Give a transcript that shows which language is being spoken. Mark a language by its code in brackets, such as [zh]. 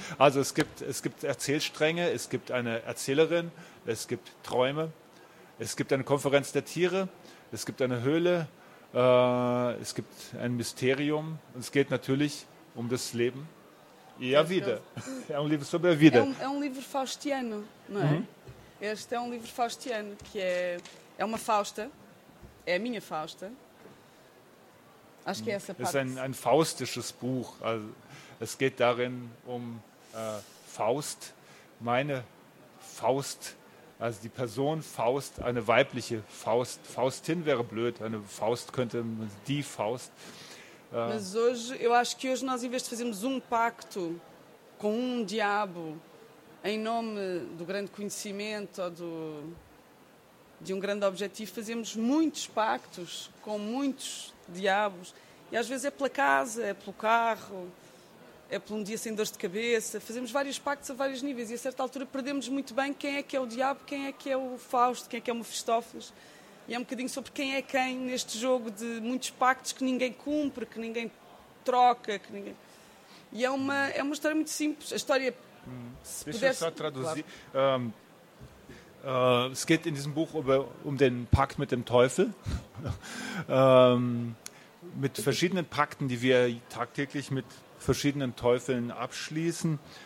[de] Also, es gibt Erzählstränge, es gibt eine Erzählerin, es gibt Träume, es gibt eine Konferenz der Tiere, es gibt eine Höhle, es gibt ein Mysterium. Und es geht natürlich um das Leben [pt] e a vida. É um livro sobre a vida. É um livro faustiano, não é? Uh-huh. Este é um livro faustiano, que é uma Fausta. É a minha Fausta. Acho que é essa parte. [de] É ein faustisches Buch. Also, es geht darin um Faust, meine Faust. Also die Person Faust, eine weibliche Faust. Faustin wäre blöd. Eine Faust könnte die Faust. [pt] Mas hoje, eu acho que hoje nós, em vez de fazermos pacto com diabo em nome do grande conhecimento ou de grande objetivo, fazemos muitos pactos com muitos diabos. E às vezes é pela casa, é pelo carro, é por dia sem dor de cabeça. Fazemos vários pactos a vários níveis e a certa altura perdemos muito bem quem é que é o diabo, quem é que é o Fausto, quem é que é o Mefistófeles. E é um bocadinho sobre quem é quem neste jogo de muitos pactos que ninguém cumpre, que ninguém troca. Que ninguém... E é uma história muito simples. A história. Se deixa pudesse... eu só traduzir. Claro. [de] Es geht in diesem Buch um den Pakt mit dem Teufel. Mit verschiedenen Pakten, die wir tagtäglich mit verschiedenen Teufeln abschließen.